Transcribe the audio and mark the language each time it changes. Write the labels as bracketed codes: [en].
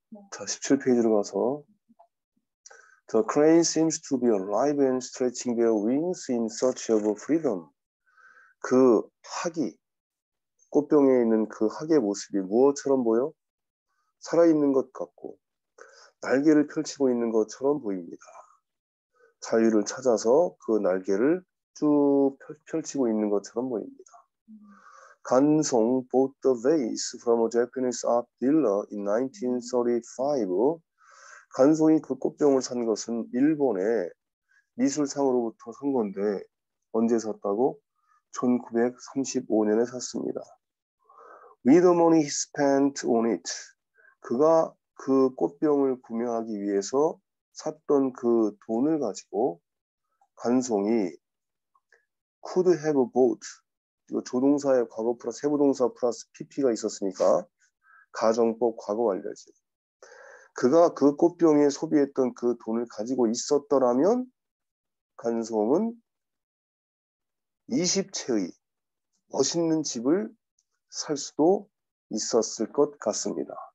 [ko] 자, 17페이지로 가서 [en] The crane seems to be alive and stretching their wings in search of freedom. [ko] 그 학이 꽃병에 있는 그 학의 모습이 무엇처럼 보여? 살아있는 것 같고 날개를 펼치고 있는 것처럼 보입니다. 자유를 찾아서 그 날개를 쭉 펼치고 있는 것처럼 보입니다. [en] 간송 bought the vase from a Japanese art dealer in 1935. [ko] 간송이 그 꽃병을 산 것은 일본의 미술상으로부터 산 건데 언제 샀다고? 1935년에 샀습니다. [en] With the money he spent on it, [ko] 그가 그 꽃병을 구매하기 위해서 샀던 그 돈을 가지고 간송이 [en] could have bought [ko] 이거 조동사의 과거 플러스 have 동사 플러스 PP가 있었으니까 가정법 과거 완료지. 그가 그 꽃병에 소비했던 그 돈을 가지고 있었더라면 간송은 20채의 멋있는 집을 살 수도 있었을 것 같습니다.